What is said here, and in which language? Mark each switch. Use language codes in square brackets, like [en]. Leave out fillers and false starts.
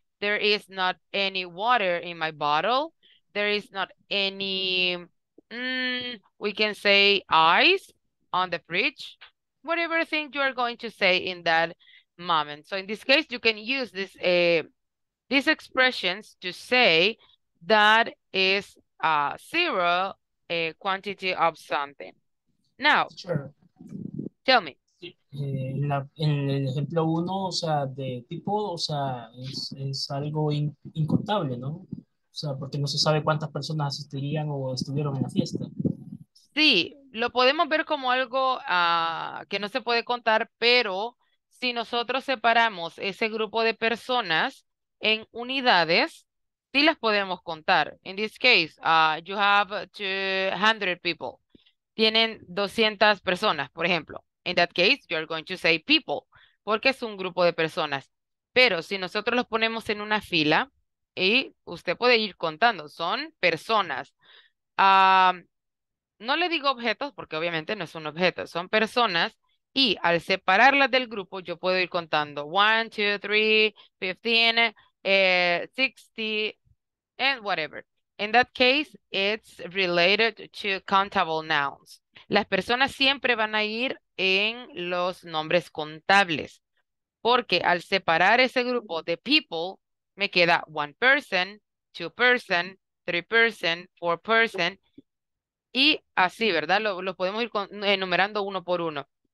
[en] There is not any water in my bottle. There is not any, we can say ice on the fridge, whatever thing you are going to say in that moment. So in this case, you can use this these expressions to say that is a zero a quantity of something. Now, sure. Tell me. [es] En el ejemplo uno, o sea, de tipo, o sea, es algo incontable, ¿no? O sea, porque no se sabe cuántas personas asistirían o estuvieron en la fiesta. Sí, lo podemos ver como algo que no se puede contar, pero si nosotros separamos ese grupo de personas en unidades, sí las podemos contar. [en] In this case, you have 200 people. [es] Tienen 200 personas, por ejemplo. [en] In that case, you are going to say people, [es] porque es un grupo de personas. Pero si nosotros los ponemos en una fila, y usted puede ir contando, son personas. No le digo objetos porque obviamente no es un objeto, son personas. Y al separarlas del grupo, yo puedo ir contando 1, 2, 3, 15, 60, [en] and whatever. In that case, it's related to countable nouns. [es] Las personas siempre van a ir en los nombres contables. Porque al separar ese grupo de people, me queda [en] one person, two person, three person, four person, [es] y así, ¿verdad? Lo podemos ir enumerando uno por uno.